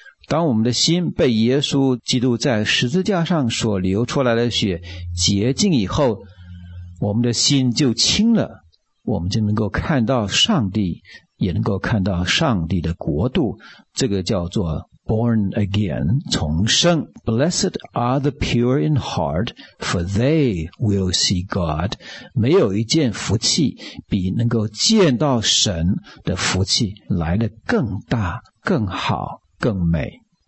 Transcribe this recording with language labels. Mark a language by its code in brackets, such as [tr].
[zh] 当我们的心被耶稣基督在十字架上所流出来的血洁净以后，我们的心就清了，我们就能够看到上帝，也能够看到上帝的国度。这个叫做 [en] Born again, [zh] 重生。 [en] Blessed are the pure in heart, for they will see God. [zh] 没有一件福气比能够见到神的福气来得更大、更好、更美。